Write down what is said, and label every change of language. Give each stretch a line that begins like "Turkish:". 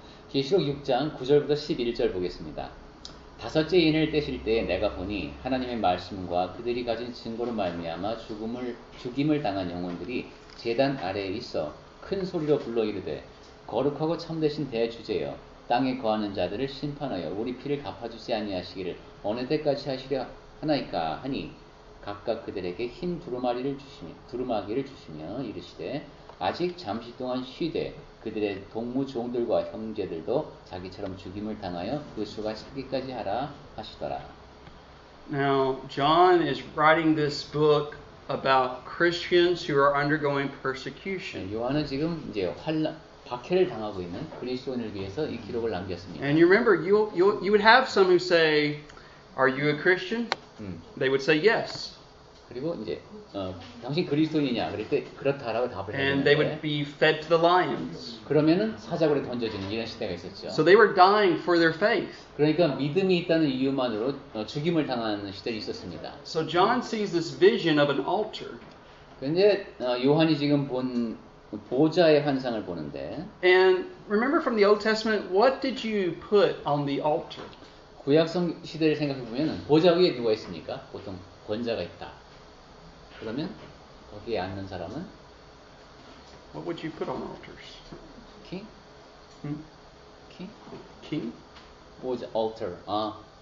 Korean: 계시록 6장 9절부터 11절 보겠습니다. 다섯째 인을 떼실 때 내가 보니 하나님의 말씀과 그들이 가진 증거로 말미암아 죽임을 당한 영혼들이 제단 아래에 있어 큰 소리로 불러 이르되 거룩하고 참되신 대주제여 땅에 거하는 자들을 심판하여 우리 피를 갚아주지 아니하시기를 어느 때까지 하시려 하나이까 하니 각각 그들에게 흰 두루마기를 주시며 이르시되 아직 잠시 동안 쉬되 그들의 동무 종들과 형제들도 자기처럼 죽임을 당하여 그 수가 차기까지 하라 하시더라.
English: Now John is writing this book about Christians who are undergoing persecution.
Korean: 요한은 지금 이제 박해를 당하고 있는 그리스도인을 위해서 이 기록을 남겼습니다.
English: And you remember you would have some who say, "Are you a Christian?" They would say yes.
Korean: 그리고 이제 당신 그리스도인이냐? 그럴 때 그렇다라고 답을 했는데.
English: And they would be fed to the lions.
Korean: 그러면은 사자굴에 던져지는 이런 시대가 있었죠.
English: So they were dying for their faith.
Korean: 그러니까 믿음이 있다는 이유만으로 죽임을 당하는 시대가 있었습니다.
English: So John sees this vision of an altar.
Korean: 근데 요한이 지금 본 보좌의 환상을 보는데.
English: And remember from the Old Testament, what did you put on the altar?
Korean: 구약성 시대를 생각해 보면은 보좌 위에 누가 있습니까? 보통 권자가 있다. 그러면 거기에 앉는 사람은
English: What would you put on altars? King? Hmm? King? King?
Korean: 보좌, altar. 아.